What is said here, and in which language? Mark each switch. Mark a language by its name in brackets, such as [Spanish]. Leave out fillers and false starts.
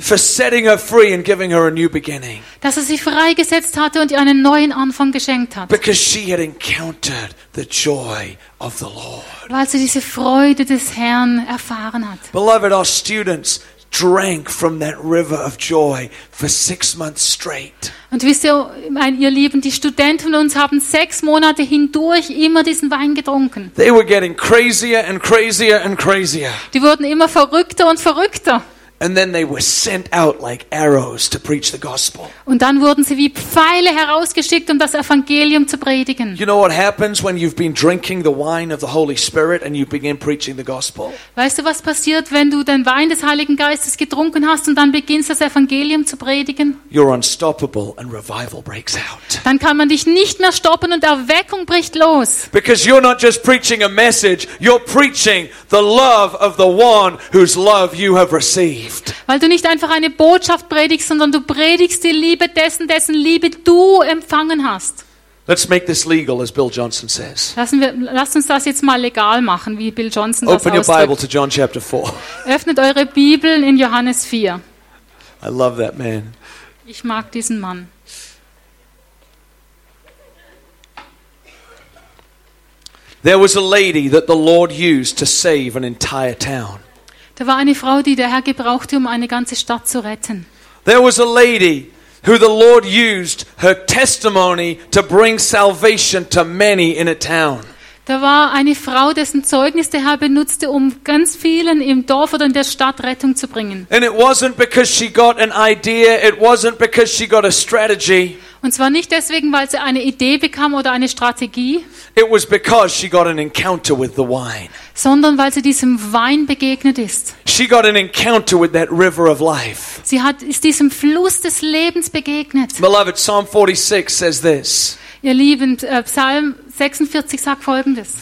[English] For setting her free and giving her a new beginning. [German] Dass er sie freigesetzt hatte und ihr einen neuen Anfang geschenkt hat. [English] Because she had encountered the joy of the Lord. [German] Weil sie diese Freude des Herrn erfahren hat. [English] Beloved, our students drank from that river of joy for 6 months straight. [German] Und wisst ihr Lieben, die Studenten von uns haben 6 Monate hindurch immer diesen Wein getrunken. [English] They were getting crazier and crazier and crazier. [German] Die wurden immer verrückter und verrückter. [English] And then they were sent out like arrows to preach the gospel. [German] Und dann wurden sie wie Pfeile herausgeschickt, um das Evangelium zu predigen. [English] You know what happens when you've been drinking the wine of the Holy Spirit and you begin preaching the gospel? [German] Weißt du, was passiert, wenn du den Wein des Heiligen Geistes getrunken hast und dann beginnst, das Evangelium zu predigen? [English] You're unstoppable and revival breaks out. [German] Dann kann man dich nicht mehr stoppen und Erweckung bricht los. [English] Because you're not just preaching a message, you're preaching the love of the one whose love you have received. [German] Weil du nicht einfach eine Botschaft predigst, sondern du predigst die Liebe dessen Liebe du empfangen hast. [English] Let's make this legal, as Bill Johnson says. [German] Lass uns das jetzt mal legal machen, wie Bill Johnson das ausdrückt. [English] Open your Bible to John chapter 4. [German] Öffnet eure Bibeln in Johannes 4. [English] I love that man. [German] Ich mag diesen Mann. [English] There was a lady that the Lord used to save an entire town. [German] Da war eine Frau, die der Herr gebrauchte, um eine ganze Stadt zu retten. [English] There was a lady who the Lord used her testimony to bring salvation to many in a town. [German] Da war eine Frau, dessen Zeugnis der Herr benutzte, um ganz vielen im Dorf oder in der Stadt Rettung zu bringen. [English] And it wasn't because she got an idea, it wasn't because she got a strategy. [German] Und zwar nicht deswegen, weil sie eine Idee bekam oder eine Strategie. [English] It was because she got an encounter with the wine. [German] Sondern weil sie diesem Wein begegnet ist. [English] She got an encounter with that river of life. [German] Sie ist diesem Fluss des Lebens begegnet. [English] Beloved, Psalm 46 says this. [German] Ihr Lieben, Psalm 46 sagt Folgendes.